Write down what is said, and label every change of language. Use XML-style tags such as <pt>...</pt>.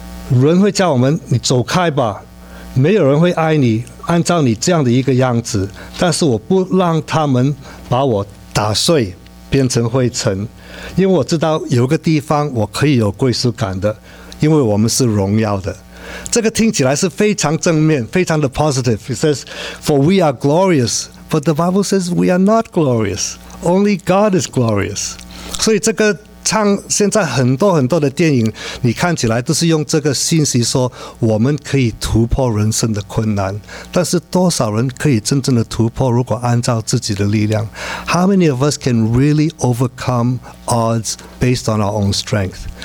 <zh>人会叫我们你走开吧，没有人会爱你按照你这样的一个样子，但是我不让他们把我打碎变成灰尘，因为我知道有个地方我可以有归属感的，因为我们是荣耀的。这个听起来是非常正面，非常的 positive.</zh> <en>It says, for we are glorious, but the Bible says we are not glorious. Only God is glorious.</en> <zh>所以这个唱现在很多很多的电影，你看起来都是用这个信息说我们可以突破人生的困难，但是多少人可以真正的突破如果按照自己的力量？</zh> <en>How many of us can really overcome odds based on our own strength?</en>